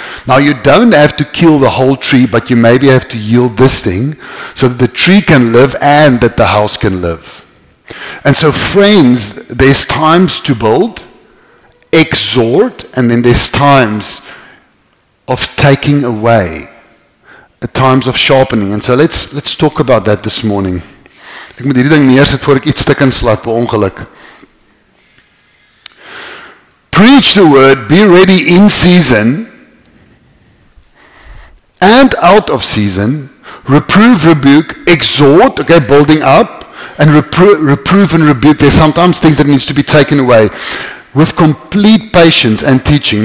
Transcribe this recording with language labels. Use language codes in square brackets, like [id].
[en] Now you don't have to kill the whole tree, but you maybe have to yield this thing so that the tree can live and that the house can live. And so friends, there's times to build, exhort, and then there's times of taking away, at times of sharpening. And so let's talk about that this morning. [af] Ek moet hierdie ding neersit voor ek iets stik en slat by ongeluk. [en] Preach the word, be ready in season and out of season, reprove, rebuke, exhort, okay, building up, and reprove and rebuke. There's sometimes things that needs to be taken away with complete patience and teaching.